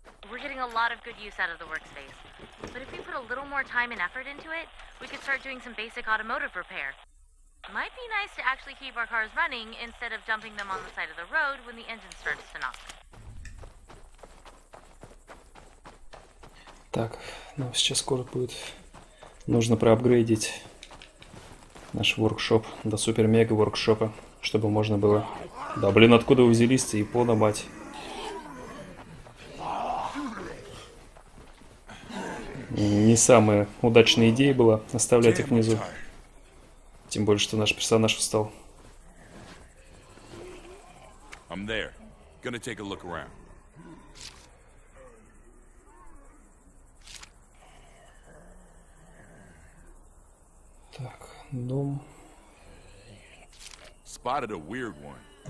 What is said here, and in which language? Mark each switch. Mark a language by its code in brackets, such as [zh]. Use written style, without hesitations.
[en] We're getting a lot of good use out of the workspace. But if we put a little more time and effort into it, we could start doing some basic automotive repair. Might be nice to actually keep our cars running instead of dumping them on the side of the road when the engine starts to knock. [ru] Так, ну сейчас скоро будет. Нужно проапгрейдить наш воркшоп до супер-мега-воркшопа, чтобы можно было... Да блин, откуда вы взялись-то, япона, мать? Не самая удачная идея была оставлять их внизу. Тем более, что наш персонаж встал. [en] I'm there. Gonna take a look around. [ru] Так, дом. [en] Spotted a weird one.